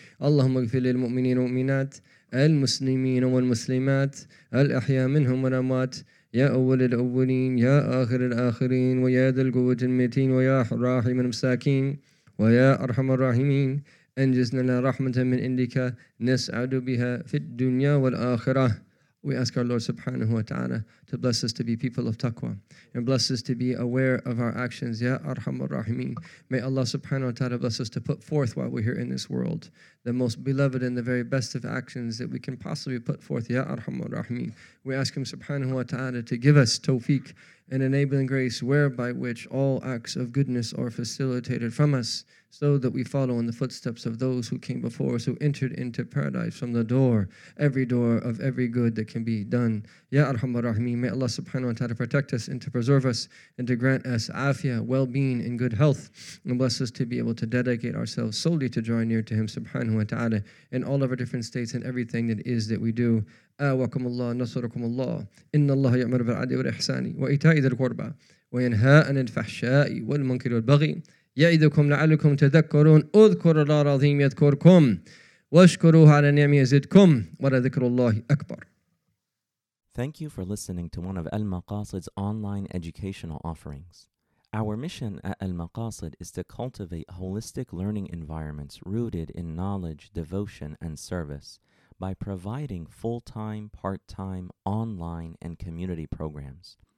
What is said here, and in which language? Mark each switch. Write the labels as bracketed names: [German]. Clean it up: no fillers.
[Arabic] اللهم اغفر للمؤمنين والمؤمنات المسلمين والمسلمات الأحياء منهم والأموات يا أول الأولين يا آخر الآخرين ويا ذا القوة المتين ويا راحم المساكين ويا أرحم الراحمين. أنجزنا رحمة من عندك نسعد بها في الدنيا والآخرة. [English] We ask our Lord subhanahu wa ta'ala to bless us to be people of taqwa and bless us to be aware of our actions. [Arabic] Ya Arhamar Rahimeen. [English] May Allah subhanahu wa ta'ala bless us to put forth while we're here in this world the most beloved and the very best of actions that we can possibly put forth. [Arabic] Ya Arhamar Rahimeen. [English] We ask Him subhanahu wa ta'ala to give us tawfiq and enabling grace whereby which all acts of goodness are facilitated from us so that we follow in the footsteps of those who came before us, who entered into paradise from the door, every door of every good that can be done. Ya Arhamar Rahimeen. May Allah subhanahu wa ta'ala protect us and to preserve us and to grant us afia, well-being and good health, and bless us to be able to dedicate ourselves solely to draw near to Him subhanahu wa ta'ala in all of our different states and everything that is that we do. [Arabic] أواكم الله نصركم الله إن الله يأمر بالعدل والإحسان وإيتاء ذي القربى وينهى عن الفحشاء والمنكر والبغي يعظكم لعلكم تذكرون اذكروا الله العظيم يذكركم. وَاشْكُرُوهُ عَلَى نِعْمِهِ يَزِدْكُمْ وَلَذِكْرُ اللَّهِ أَكْبَرُ. [English] Thank you for listening to one of Al-Maqasid's online educational offerings. Our mission at Al-Maqasid is to cultivate holistic learning environments rooted in knowledge, devotion, and service by providing full-time, part-time, online, and community programs.